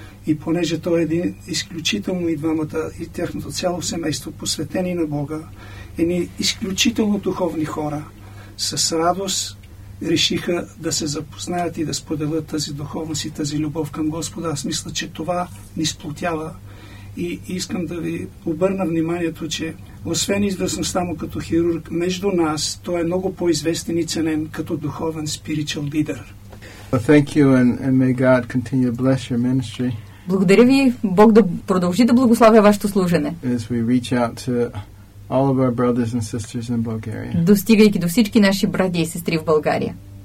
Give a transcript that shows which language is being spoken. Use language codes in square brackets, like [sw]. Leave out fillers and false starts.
[bg] И понеже той е един изключително и двамата, и тяхното цяло семейство, посветени на Бога, едни изключително духовни хора, с радост решиха да се запознаят и да споделят тази духовност и тази любов към Господа. Аз мисля, че това ни сплотява. И искам да ви обърна вниманието, че освен известността му като хирург, между нас той е много по-известен и ценен като духовен [en] spiritual leader. Well, thank you and may God continue to bless your ministry. [bg] Благодаря ви, Бог да продължи да благославя вашето служене. [en] As we reach out to all of our brothers and sisters in Bulgaria. [bg] Достигайки до всички наши брати и сестри в България.